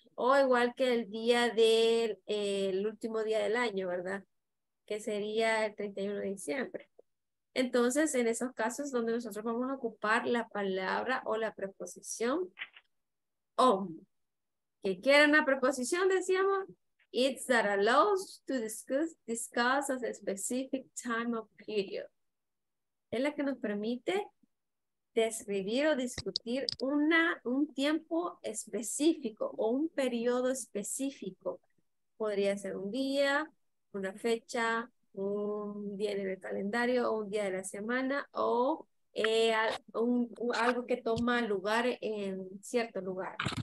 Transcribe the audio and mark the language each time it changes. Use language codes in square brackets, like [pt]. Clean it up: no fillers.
[es] O igual que el día del el último día del año, ¿verdad? Que sería el 31 de diciembre. Entonces, en esos casos donde nosotros vamos a ocupar la palabra o la preposición on. ¿Qué quiere una preposición? Decíamos, [en] it's that allows to discuss a specific time or period. [es] Es la que nos permite describir o discutir un tiempo específico o un periodo específico. Podría ser un día, una fecha, un día en el calendario, o un día de la semana, o algo que toma lugar en cierto lugar.